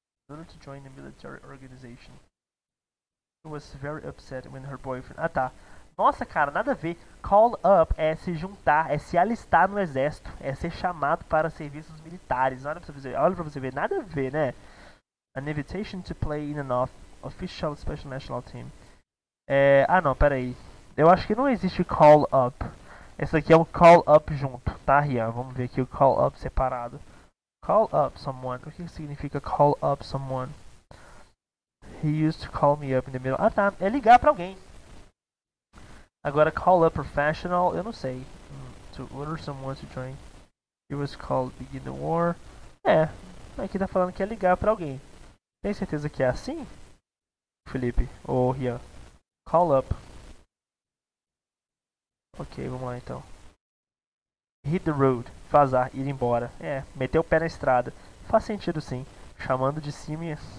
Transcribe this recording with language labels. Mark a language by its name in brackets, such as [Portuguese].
[English] In order to join a military organization. She was very upset when her boyfriend... [Portuguese] Ah, tá. Nossa, cara, nada a ver. Call up é se juntar, é se alistar no exército, é ser chamado para serviços militares. Olha pra você ver, nada a ver, né? [English] An invitation to play in an official special national team. [Portuguese] Peraí. Eu acho que não existe call up. Esse aqui é um call up junto, tá, Rian? Vamos ver aqui o call up separado. [English] Call up someone. [Portuguese] O que significa [English] call up someone? He used to call me up in the middle. [Portuguese] Ah, tá. É ligar pra alguém. Agora, call up professional, eu não sei. [English] To order someone to join. It was called begin the war. [Portuguese] É, aqui tá falando que é ligar pra alguém. Tem certeza que é assim? Felipe, ou Rian. Call up. Ok, vamos lá então. [English] Hit the road. [Portuguese] Vazar, ir embora. É, meter o pé na estrada. Faz sentido sim. Chamando de cima e...